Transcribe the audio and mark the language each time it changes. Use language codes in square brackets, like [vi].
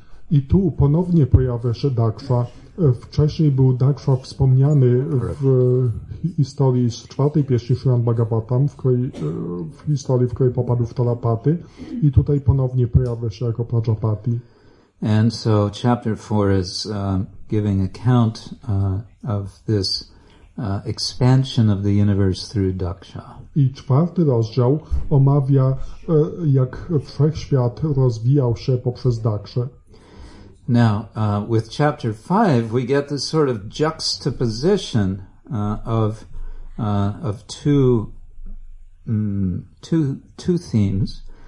[pl] I tu ponownie pojawia się Daksha. Wcześniej był Daksha wspomniany w historii z czwartej pieśni Śrimad Bhagavatam, w historii, w której popadł w Talapaty, i tutaj ponownie pojawia się jako Prajapati. [en] And so chapter 4 is giving account of this expansion of the universe through Daksha. [pl] I czwarty rozdział omawia, jak wszechświat rozwijał się poprzez Dakshę. [en] Now, with chapter 5, we get this sort of juxtaposition of two themes.